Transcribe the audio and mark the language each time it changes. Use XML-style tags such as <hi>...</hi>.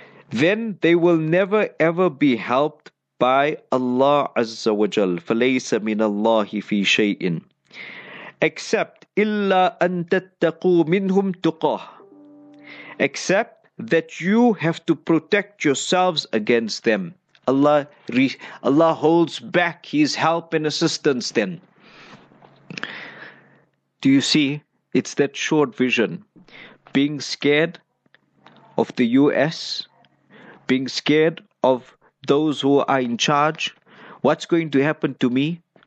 <en>Then they will never ever be helped by Allah Azza wa Jal.</en> <ar>فَلَيْسَ مِنَ اللَّهِ فِي شَيْءٍ.</ar> <en>Except,</en> <ar>إِلَّا أَن تَتَّقُوا مِنْهُمْ تُقَهْ.</ar> <en>Except that you have to protect yourselves against them. Allah holds back His help and assistance then. Do you see? It's that short vision. being scared of the US, being scared of those who are in charge, what's going to happen to me?</en>